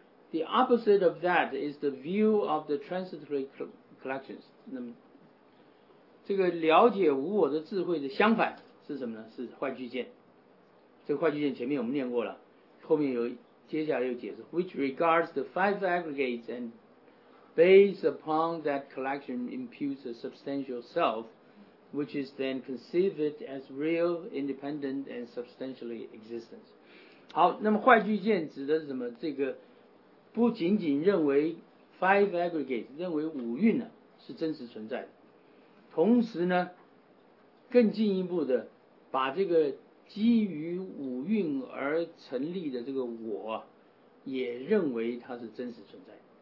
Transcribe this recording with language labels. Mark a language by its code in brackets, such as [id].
[en] The opposite of that is the view of the transitory collections. [zh] 那么这个了解无我的智慧的相反是什么呢？是坏聚见。这个坏聚见前面我们念过了，后面有接下来有解释。 [en] Which regards the five aggregates and based upon that collection imputes a substantial self, which is then conceived as real, independent and substantially existent. [zh] 好，那么坏聚见指的是什么？这个不仅仅认为 [en] five aggregates, [zh] 认为五蕴呢是真实存在的。同时呢，更进一步的把这个基于五蕴而成立的这个我也认为它是真实存在。